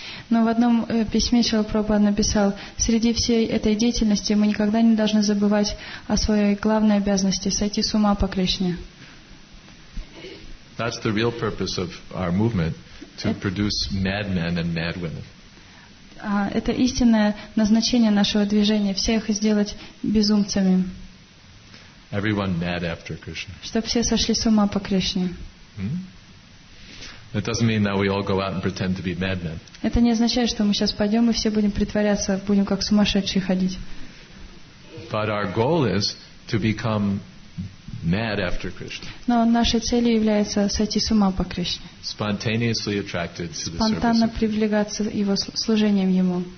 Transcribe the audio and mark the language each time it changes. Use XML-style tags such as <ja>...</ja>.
<ru>Но в одном письме Шрила Прабхупада написал: среди всей этой деятельности мы никогда не должны забывать о своей главной обязанности — сойти с ума по Кришне.</ru> <en>That's the real purpose of our movement, to produce madmen and madwomen.</en> <ru>Это истинное назначение нашего движения — всех сделать безумцами.</ru> <en>Everyone mad after Krishna.</en> <ru>Чтобы все сошли с ума по Кришне.</ru> <en>It doesn't mean that we all go out and pretend to be madmen.</en> <ru>Это не означает, что мы сейчас пойдем и все будем притворяться, будем как сумасшедшие ходить.</ru> <en>But our goal is to become mad after Krishna.</en> <ru>Но нашей целью является сойти с ума по Кришне.</ru> <en>Spontaneously attracted to the service.</en> <ru>Спонтанно привлекаться его служением ему.</ru>